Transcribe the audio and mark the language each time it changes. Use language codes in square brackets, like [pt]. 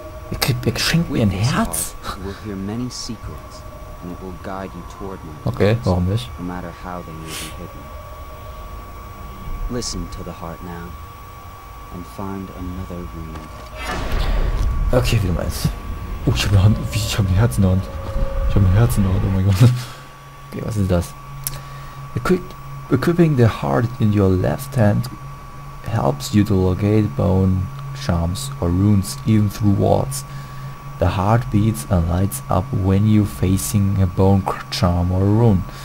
[de] Ich schenk mir ein Herz? [en] Heart, you will hear many secrets, and it will guide you toward my place, [de] okay, warum nicht? [en] No matter how they may be hidden. Listen to the heart now, and find another rune. [de] Okay, wie du meinst. Oh, ich hab eine Hand, ich hab ein Herz in der Hand. Ich hab ein Herz in der Hand, oh mein Gott. Okay, was ist das? [en] Equipping the heart in your left hand helps you to locate bone charms or runes even through walls. The heart beats and lights up when you're facing a bone charm or a rune.